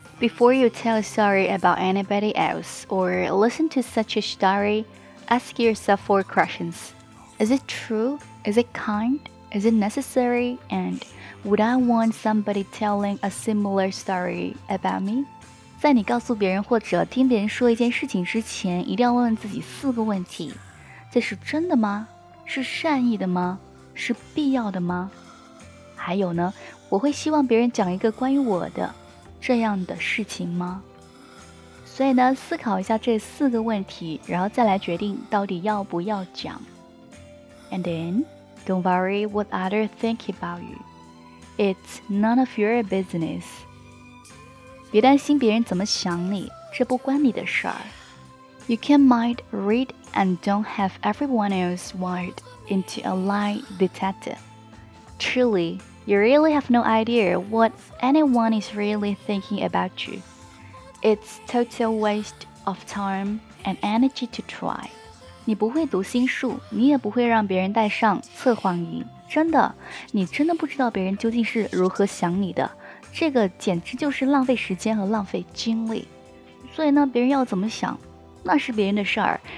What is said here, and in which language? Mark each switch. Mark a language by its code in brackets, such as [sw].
[en] Before you tell sorry about anybody else or listen to such a story, ask yourself four questions. Is it true? Is it kind? Is it necessary? AndWould I want somebody telling a similar story about me? [zh] 在你告诉别人或者听别人说一件事情之前，一定要问问自己四个问题：这是真的吗？是善意的吗？是必要的吗？还有呢，我会希望别人讲一个关于我的这样的事情吗？所以呢，思考一下这四个问题，然后再来决定到底要不要讲。 [en] And then, don't worry what others think about you. It's none of your business. [zh] 别担心别人怎么想你，这不关你的事儿。 [en] You can mind read and don't have everyone else wired into a lie detector. Truly, you really have no idea what anyone is really thinking about you. It's total waste of time and energy to try. [zh] 你不会读心术，你也不会让别人戴上测谎仪。真的，你真的不知道别人究竟是如何想你的，这个简直就是浪费时间和浪费精力。所以呢，别人要怎么想，那是别人的事儿。